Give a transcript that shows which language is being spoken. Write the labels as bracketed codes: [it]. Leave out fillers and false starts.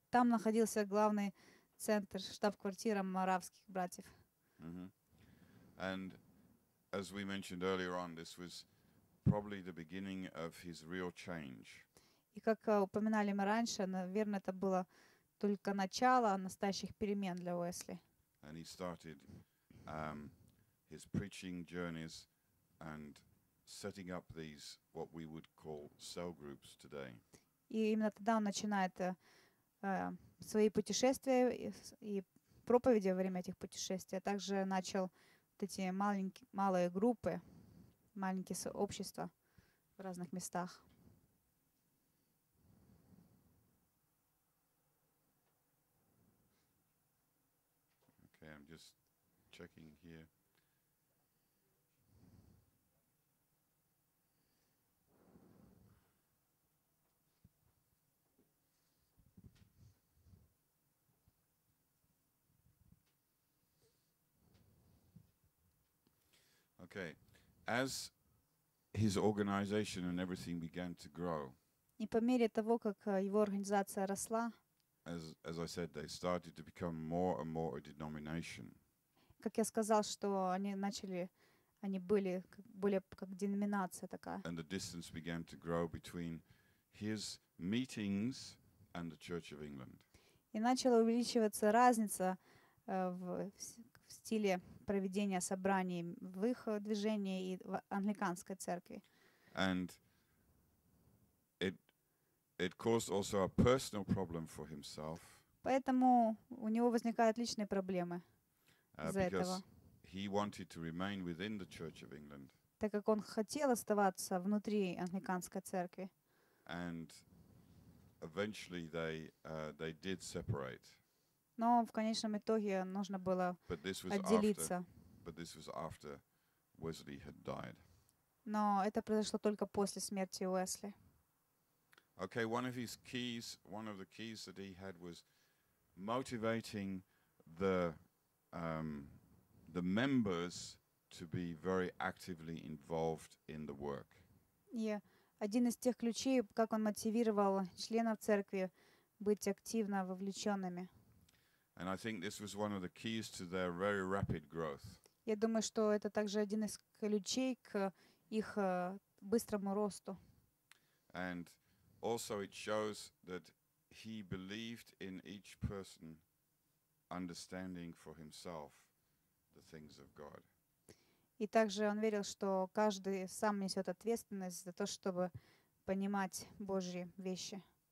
[ru] Там находился главный центр, штаб-квартира моравских братьев. [en] And as we mentioned earlier on, this was probably the beginning of his real change. [ru] И как упоминали мы раньше, наверное, это было только начало настоящих перемен для Уэсли. [en] And he started his preaching journeys and setting up these what we would call cell groups today. [ru] И именно тогда он начинает свои путешествия и проповеди во время этих путешествий, а также начал вот эти малые группы, маленькие общества в разных местах. [en] just checking here. Okay, as his organization and everything began to grow, [ru] и по мере того, как его организация росла, [en] as I said, they started to become more and more a denomination. [ru] Как я сказал, что они начали, они были более как деноминация такая. [en] And the distance began to grow between his meetings and the Church of England. [ru] И начала увеличиваться разница в стиле проведения собраний в их движении и в англиканской церкви. [en] And it caused also a personal problem for himself. [ru] Поэтому у него возникают личные проблемы из-за этого. [en] Because he wanted to remain within the Church of England. [ru] Так как он хотел оставаться внутри англиканской церкви. [en] And eventually they did separate. [ru] Но в конечном итоге нужно было отделиться. [en] But this was after Wesley had died. [ru] Но это произошло только после смерти Уэсли. [en] Okay, one of the keys that he had was motivating the members to be very actively involved in the work. Yeah. [ru] Один из тех ключей, как он мотивировал членов церкви быть активно вовлеченными. [en] And I think this was one of the keys to their very rapid growth. [ru] Я думаю, что это также один из ключей к их быстрому росту. [en] And also it shows that he believed in each person understanding for himself the things of God. [ru] И также он верил, что каждый сам несет ответственность за то, чтобы понимать Божьи вещи.